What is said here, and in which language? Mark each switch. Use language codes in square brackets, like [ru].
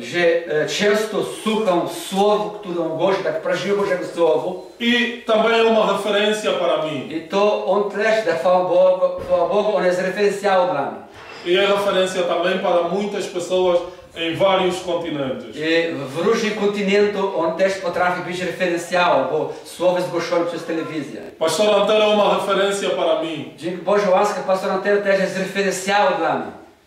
[pl] Że często słucham słowo, które on głosi, tak prażył Bożego słowo. [pt] I também é uma referência para mim. [pl] I to on też, da chwała Bogu, on jest referencjał dla mnie. [pt] I é referência também para muitas pessoas em vários continentes. [pl] I w różnych kontynentach on też potrafi być referencjał, bo słowo zgłoszone przez telewizję. [pt] Pastor Antero é uma referência para mim. [pl] Dzięki Bożej łasce, pastor Antero też jest referencjał dla mnie.